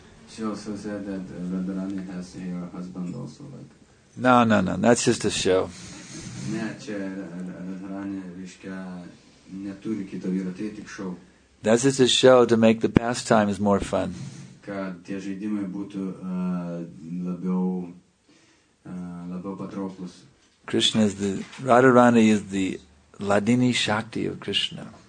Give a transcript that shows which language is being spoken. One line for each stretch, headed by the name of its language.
English: She also said that Radharani has her husband also, like. No, no, no. That's just a show.
Lithuanian: Ne, čia Radharani reiškia neturi kito vyro, tai tik show.
English: That's just a show to make the pastimes more fun.
Lithuanian: Kad tie žaidimai būtų labiau labiau patrauklus.
English: Krishna is the Radharani is the Ladini Shakti of Krishna.